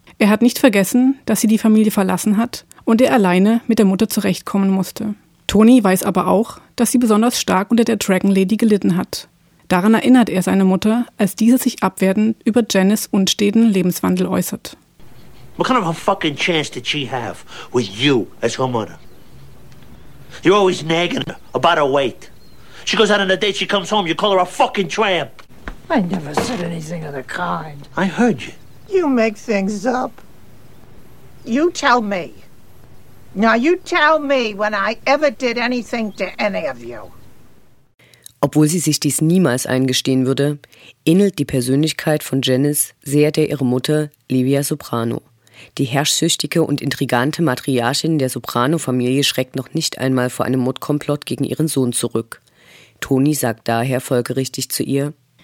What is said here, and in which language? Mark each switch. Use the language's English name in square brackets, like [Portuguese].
[German] Er hat nicht vergessen, dass sie die Familie verlassen hat und er alleine mit der Mutter zurechtkommen musste. Tony weiß aber auch, dass sie besonders stark unter der Dragon Lady gelitten hat. Daran erinnert er seine Mutter, als diese sich abwertend über Janice' unsteten Lebenswandel äußert. [English] What kind of a fucking chance did she have with you as her mother? You're always nagging her about her weight. She goes out on a date, she comes home, you call her a fucking tramp. I never said anything of the kind. I heard you. You make things up. You tell me. Now you tell me when I ever did anything to any of you. [German] Obwohl sie sich dies niemals eingestehen würde, ähnelt die Persönlichkeit von Janice sehr der ihrer Mutter, Livia Soprano. Die herrschsüchtige und intrigante Matriarchin der Soprano-Familie schreckt noch nicht einmal vor einem Mordkomplott gegen ihren Sohn zurück. Tony sagt daher folgerichtig zu ihr: